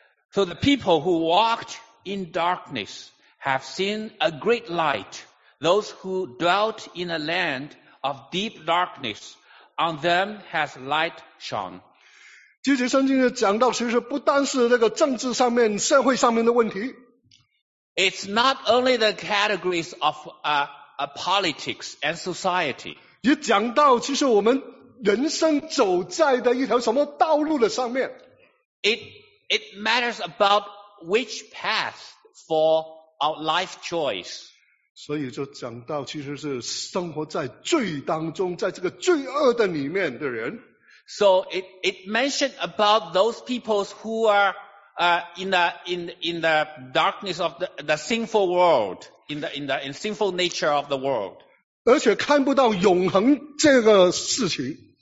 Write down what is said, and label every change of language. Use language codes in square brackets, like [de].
[en] So the people who walked in darkness have seen a great light. Those who dwelt in a land of deep darkness, on them has light shone. [zh] 这节圣经讲到其实不单是那个政治上面、社会上面的问题。 [en] It's not only the categories of politics and society. [zh] 也讲到其实我们人生走在的一条什么道路的上面。 [en] It matters about which path for our life choice. [zh] 所以就讲到其实是生活在罪当中，在这个罪恶的里面的人。 [en] So it mentioned about those people who are in the darkness of the sinful world, in sinful nature of the world. [zh] 而且看不到永恒这个事情。